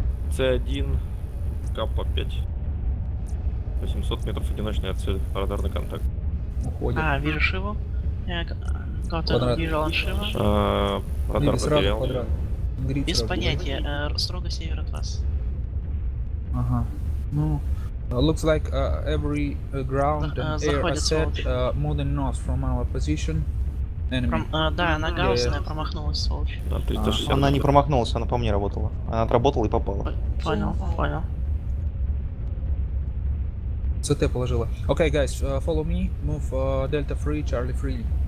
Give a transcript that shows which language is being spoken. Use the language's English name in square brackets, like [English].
[Russian] C1, КП-5. 800 метров одиночная цель, радарный контакт. Уходим. Вижу Шиву. Кого-то вижу, он Шива. Радар потерял. Без понятия, строго север от вас. Ага, ну... [English] looks like every ground and air asset moving north from our position. [Russian] Да, она гауссная, промахнулась, сволочь. Да, 360. Она не промахнулась, она по мне работала. Она отработала и попала. Понял. [English] CT [Russian] положила. [English] Okay, guys, follow me. Move Delta 3, Charlie 3.